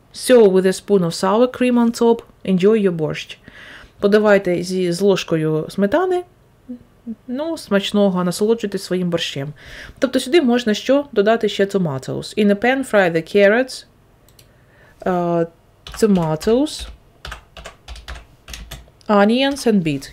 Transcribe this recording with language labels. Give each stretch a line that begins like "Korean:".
English: Serve with a spoon of sour cream on top. Enjoy your borscht.
Ukrainian: Подавайте з ложкою сметани, ну, смачного, насолоджуйтесь своїм борщем. Тобто сюди можна що? Додати ще tomatoes.
English: In a pan, fry the carrots, tomatoes, onions and beets.